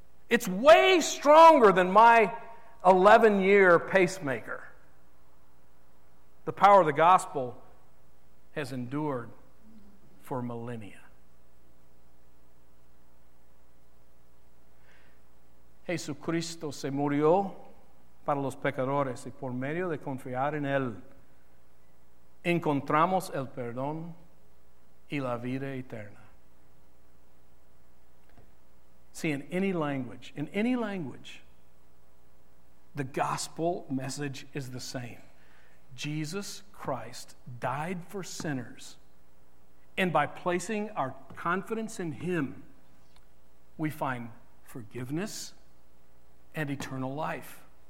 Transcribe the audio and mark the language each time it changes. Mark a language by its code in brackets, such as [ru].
[en] It's way stronger than my 11-year pacemaker. The power of the gospel has endured for millennia. [es] Jesucristo se murió para los pecadores y por medio de confiar en él encontramos el perdón y la vida eterna. [en] See, in any language, the gospel message is the same. Jesus Christ died for sinners And by placing our confidence in Him, we find forgiveness and eternal life.